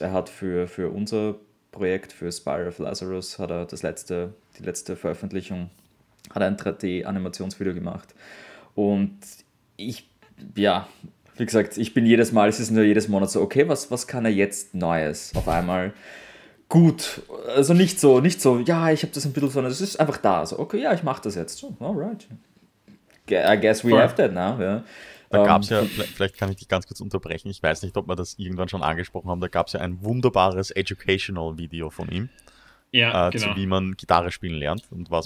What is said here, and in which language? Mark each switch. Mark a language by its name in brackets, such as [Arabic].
[German] Er hat für unser Projekt, für Spire of Lazarus, hat er die letzte Veröffentlichung, hat ein 3D-Animationsvideo gemacht. Und ich, ja, wie gesagt, ich bin jedes Mal, es ist nur jedes Monat so, okay, was kann er jetzt Neues? Auf einmal gut, also nicht so, ja, ich habe das ein bisschen, sondern es ist einfach da. So, okay, ja, ich mache das jetzt. [English] Oh, alright. I guess we have that now, ja. [German] Da gab es ja, vielleicht kann ich dich ganz kurz unterbrechen, ich weiß nicht, ob wir das irgendwann schon angesprochen haben, da gab es ja ein wunderbares Educational-Video von ihm, ja, genau. Zu wie man Gitarre spielen lernt und was